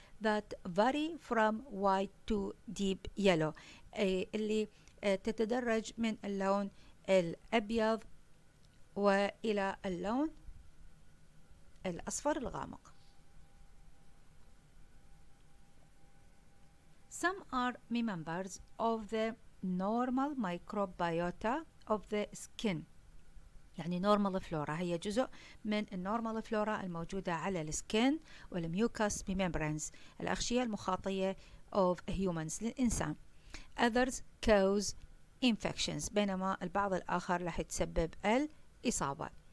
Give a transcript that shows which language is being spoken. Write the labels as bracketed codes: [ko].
[en] that vary from white to deep yellow، [ar] اللي تتدرج من اللون الأبيض وإلى اللون الأصفر الغامق. [en] Some are members of the normal microbiota of the skin. [ar] يعني normal flora هي جزء من normal flora الموجودة على السكين والميوكاس بميمبرانز الأغشية المخاطية [en] of humans [ar] للإنسان. [en] Others cause infections، [ar] بينما البعض الآخر راح يتسبب الإصابة.